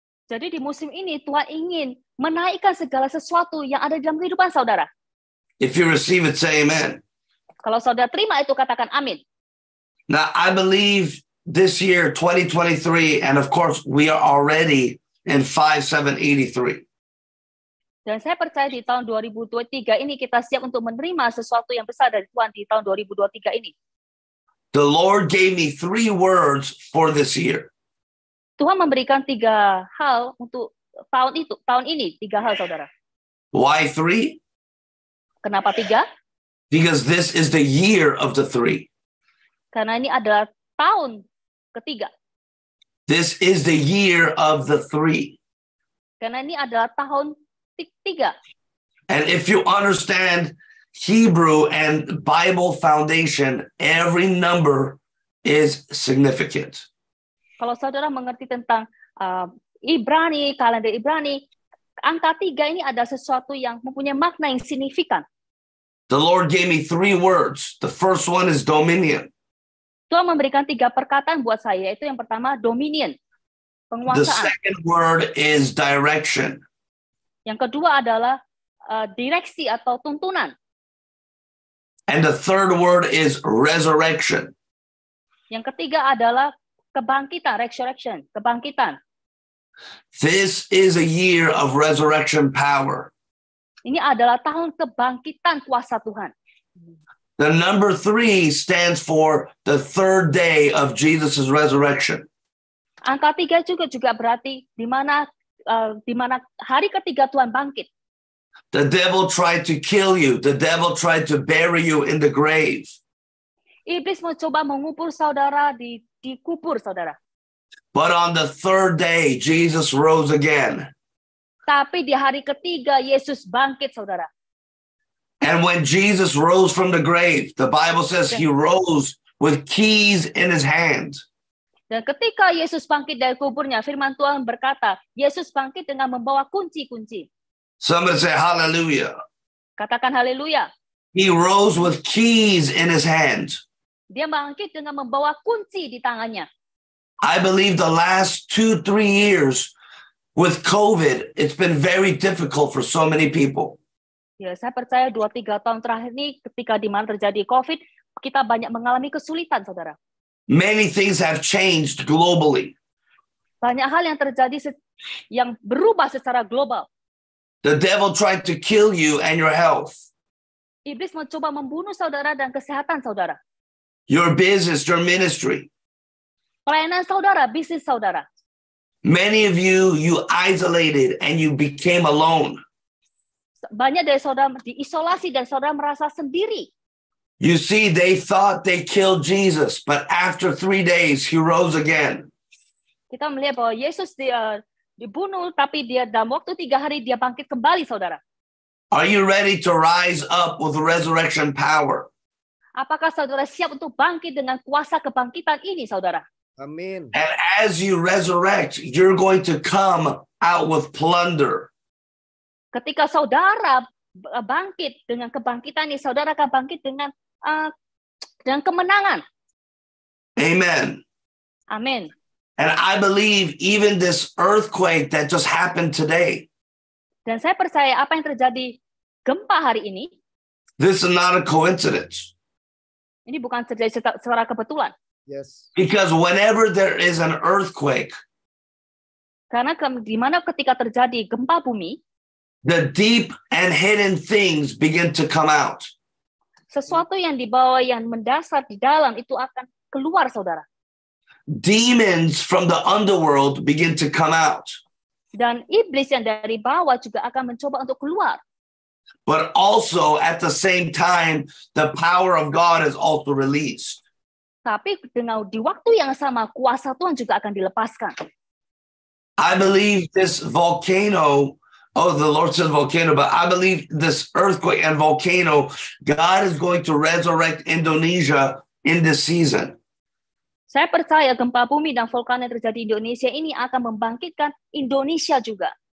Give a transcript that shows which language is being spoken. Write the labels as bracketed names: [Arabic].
[Indonesian] Jadi di musim ini, Tuhan ingin menaikkan segala sesuatu yang ada dalam kehidupan saudara. [English] If you receive it, say amen. [Indonesian] Kalau saudara terima itu, katakan amin. [English] Now, I believe this year, 2023, and of course, we are already in 5783. [Indonesian] Dan saya percaya di tahun 2023 ini, kita siap untuk menerima sesuatu yang besar dari Tuhan di tahun 2023 ini. [English] The Lord gave me 3 words for this year. [Indonesian] Tuhan memberikan 3 hal untuk tahun itu, tahun ini, 3 hal, saudara. [English] Why 3? [Indonesian] Kenapa 3? [English] Because this is the year of the 3. [Indonesian] Karena ini adalah tahun ketiga. [English] This is the year of the 3. [Indonesian] Karena ini adalah tahun 3. [English] And if you understand Hebrew and Bible foundation, every number is significant. [Indonesian] Kalau saudara mengerti tentang Ibrani, kalender Ibrani, angka 3 ini ada sesuatu yang mempunyai makna yang signifikan. [English] The Lord gave me 3 words. The first one is dominion. [Indonesian] Tuhan memberikan 3 perkataan buat saya, yaitu yang pertama dominion, penguasaan. [English] The second word is direction. [Indonesian] Yang kedua adalah direksi atau tuntunan. [English] And the third word is resurrection. [Indonesian] Yang ketiga adalah kebangkitan, resurrection, kebangkitan. [English] This is a year of resurrection power. [Indonesian] Ini adalah tahun kebangkitan kuasa Tuhan. [English] The number 3 stands for the third day of Jesus' resurrection. [Indonesian] Angka 3 juga berarti di mana hari ketiga Tuhan bangkit. [English] The devil tried to kill you. The devil tried to bury you in the grave. [Indonesian] Iblis mencoba mengubur saudara di kubur, saudara. [English] But on the third day, Jesus rose again. [Indonesian] Tapi di hari ketiga, Yesus bangkit, saudara. [English] And when Jesus rose from the grave, the Bible says he rose with keys in his hand. [Indonesian] Dan ketika Yesus bangkit dari kuburnya, firman Tuhan berkata, Yesus bangkit dengan membawa kunci-kunci. [English] Somebody say hallelujah. [Indonesian] Katakan haleluya. [English] He rose with keys in his hand. [Indonesian] Dia bangkit dengan membawa kunci di tangannya. [English] I believe the last 2-3 years with COVID, it's been very difficult for so many people. [Indonesian] Ya, saya percaya 2-3 tahun terakhir ini ketika di mana terjadi COVID, kita banyak mengalami kesulitan, saudara. [English] Many things have changed globally. [Indonesian] Banyak hal yang terjadi yang berubah secara global. [English] The devil tried to kill you and your health. [Indonesian] Iblis mencoba membunuh saudara dan kesehatan saudara. [English] Your business, your ministry. [Indonesian] Pelayanan saudara, bisnis saudara. [English] Many of you isolated and you became alone. [Indonesian] Banyak dari saudara diisolasi dan saudara merasa sendiri. [English] You see, they thought they killed Jesus, but after 3 days, he rose again. [Indonesian] Kita melihat bahwa Yesus dibunuh, tapi dia dalam waktu 3 hari, dia bangkit kembali, saudara. [English] Are you ready to rise up with resurrection power? [Indonesian] Apakah saudara siap untuk bangkit dengan kuasa kebangkitan ini, saudara? Amin. [English] And as you resurrect, you're going to come out with plunder. [Indonesian] Ketika saudara bangkit dengan kebangkitan ini, saudara akan bangkit dengan kemenangan. [English] Amen. [Indonesian] Amin. [English] And I believe even this earthquake that just happened today. [Indonesian] Dan saya percaya apa yang terjadi gempa hari ini. [English] This is not a coincidence. [Indonesian] Ini bukan terjadi secara kebetulan. [English] Yes. Because whenever there is an earthquake, [Indonesian] Karena di mana ketika terjadi gempa bumi, [English] the deep and hidden things begin to come out. [Indonesian] Sesuatu yang di bawah yang mendasar di dalam itu akan keluar, saudara. [English] Demons from the underworld begin to come out. [Indonesian] Dan iblis yang dari bawah juga akan mencoba untuk keluar. [English] But also at the same time, the power of God is also released. [Indonesian] Tapi dengan di waktu yang sama kuasa Tuhan juga akan dilepaskan. [English] I believe this volcano. Oh, the Lord said volcano, but I believe this earthquake and volcano, God is going to resurrect Indonesia in this season. [Indonesian] Saya percaya gempa bumi dan vulkan yang terjadi di Indonesia ini akan membangkitkan Indonesia juga.